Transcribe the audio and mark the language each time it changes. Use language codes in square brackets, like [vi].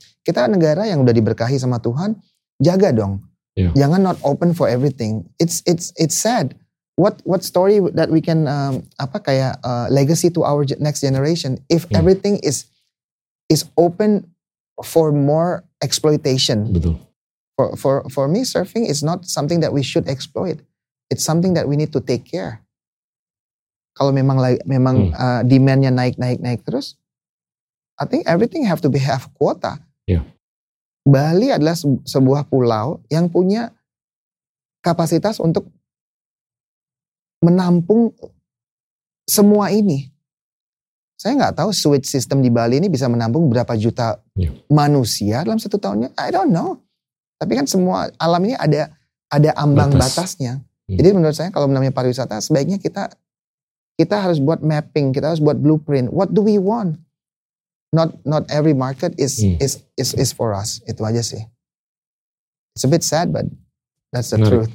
[id] Kita negara yang udah diberkahi sama Tuhan, jaga dong. [en] Yeah. [id] Jangan [en] not open for everything. It's sad. What story that we can legacy to our next generation if everything is open for more exploitation. [id] Betul. [en] For me surfing is not something that we should exploit. It's something that we need to take care. [id] Kalau memang demand-nya naik terus, [en] I think everything have to have quota. Yeah. [id] Bali adalah sebuah pulau yang punya kapasitas untuk menampung semua ini. Saya nggak tahu switch system di Bali ini bisa menampung berapa juta manusia dalam satu tahunnya. [en] I don't know. [id] Tapi kan semua alam ini ada ambang batasnya. Jadi menurut saya kalau namanya pariwisata sebaiknya kita harus buat mapping, kita harus buat blueprint. [en] What do we want? Not every market is for us. [id] Itu aja sih. [en] It's a bit sad, but that's the truth.